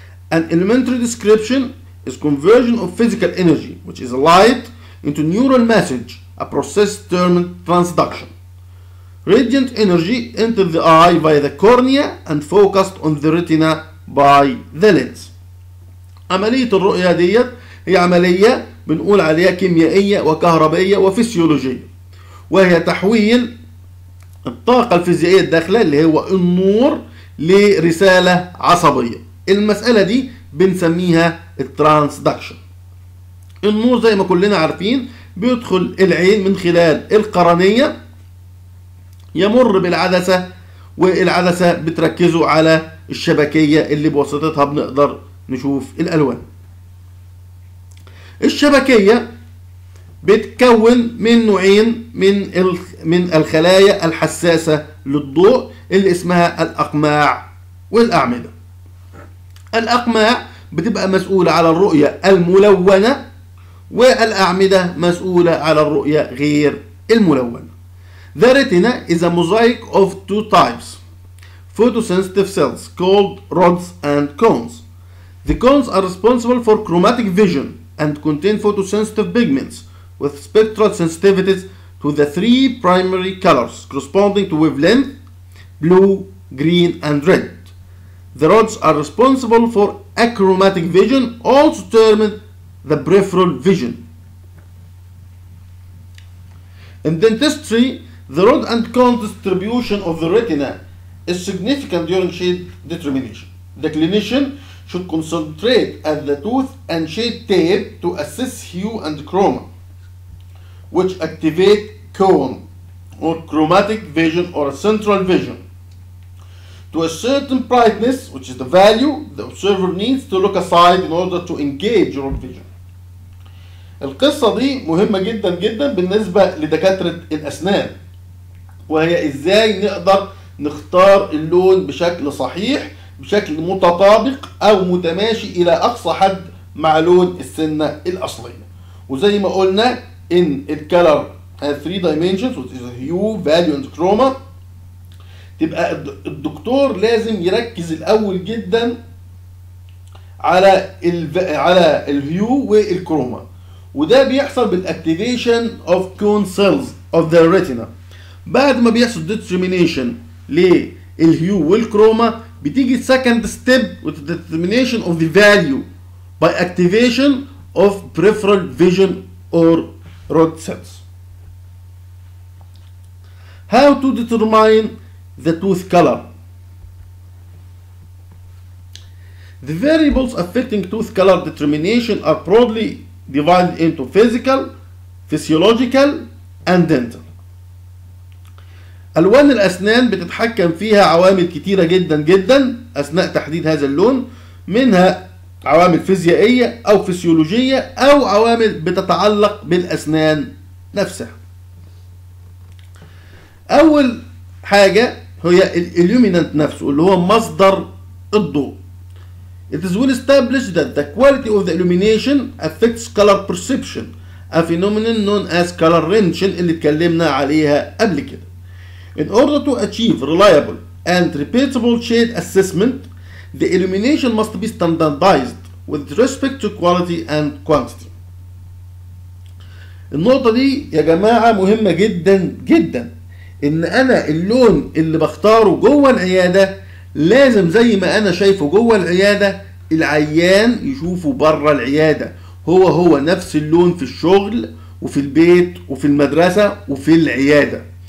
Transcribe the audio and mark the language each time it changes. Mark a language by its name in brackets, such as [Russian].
[English] An elementary description is conversion of physical energy, which is light, into neural message, a process termed transduction. Radiant energy enters the eye via the cornea and focused on the retina by the lens. [Arabic] عملية الرؤية دي هي عملية بنقول عليها كيميائية وكهربائية وفسيولوجية، وهي تحويل الطاقة الفيزيائية الداخلة اللي هو النور لرسالة عصبية. المسألة دي بنسميها الترانسدكشن. النور زي ما كلنا عارفين بيدخل العين من خلال القرنية، يمر بالعدسة والعدسة بتركزه على الشبكية اللي بواسطتها بنقدر نشوف الألوان. الشبكية بتكون من نوعين من الخلايا الحساسة للضوء اللي اسمها الأقماع والأعمدة. الأقماع بتبقى مسؤولة على الرؤية الملونة، والأعمدة مسؤولة على الرؤية غير الملونة. [English] The retina is a mosaic of two types, photosensitive cells called rods and cones. The cones are responsible for chromatic vision and contain photosensitive pigments with spectral sensitivities to the three primary colors corresponding to wavelength blue, green and red. The rods are responsible for achromatic vision, also termed the peripheral vision. In dentistry, the rod and cone distribution of the retina is significant during shade determination. The clinician should concentrate at the tooth and shade tape to assess hue and chroma, which activate cone or chromatic vision or a central vision to a certain brightness, which is the value the observer needs to look aside in order to engage your vision. [Arabic] القصة دي مهمة جدا جدا بالنسبة لدكاترة الأسنان، وهي إزاي نقدر نختار اللون بشكل صحيح بشكل متطابق أو متماشي إلى أقصى حد مع لون السنة الأصلية. وزي ما قلنا [English] in it color has three dimensions, which is a hue, value and chroma. [Arabic] تبقى الدكتور لازم يركز الاول جدا على على الهيو والكروما، وده بيحصل بال [English] activation of cone cells of the retina. [Arabic] بعد ما بيحصل [English] determination [Arabic] للهيو والكروما بتيجي [English] second step with the determination of the value by activation of peripheral vision or rod sets. How to determine the tooth color? The variables affecting tooth color determination are broadly divided into physical, physiological, and dental. [Arabic] ألوان الأسنان بتتحكم فيها عوامل كتيرة جدا جدا أثناء تحديد هذا اللون، منها عوامل فيزيائية أو فسيولوجية أو عوامل بتتعلق بالأسنان نفسها. أول حاجة هي الإليومينانت نفسه اللي هو مصدر الضوء. [English] It is well established that the quality of the illumination affects color perception, a phenomenon known as color retention [Arabic] اللي اتكلمنا عليها قبل كده. [English] In order to achieve reliable and repeatable shade assessment, the illumination must be standardized with respect to quality and quantity. [Arabic] النقطة دي يا جماعة مهمة جدا جدا، ان انا اللون اللي بختاره جوه العيادة لازم زي ما انا شايفه جوه العيادة العيان يشوفه بره العيادة هو هو نفس اللون في الشغل وفي البيت وفي المدرسة وفي العيادة.